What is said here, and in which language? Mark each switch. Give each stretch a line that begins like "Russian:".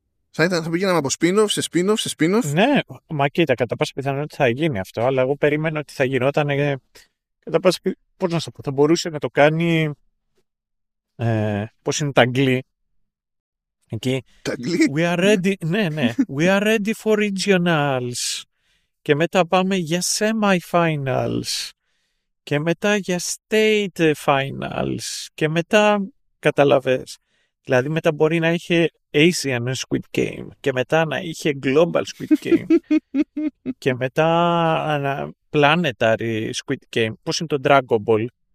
Greek: Θα πηγαίναμε από spin-off. Ναι, μα κοίτα, κατά πάσα πιθανότητα θα γίνει αυτό, αλλά εγώ περίμενα ότι θα γινόταν, κατά πάσα πιθανότητα, πώς να σου πω, θα μπορούσε να το κάνει, πώς είναι τα Αγγλί. Εκεί.
English: We are ready.
Greek: Ναι.
English: We are ready for regionals.
Greek: Και μετά πάμε για semi-finals. Και μετά για state finals. Και μετά, καταλαβες. Δηλαδή μετά μπορεί να είχε Asian Squid Game. Και μετά να είχε Global Squid Game. Και μετά Planetary Squid Game. Πώς είναι το Dragon Ball.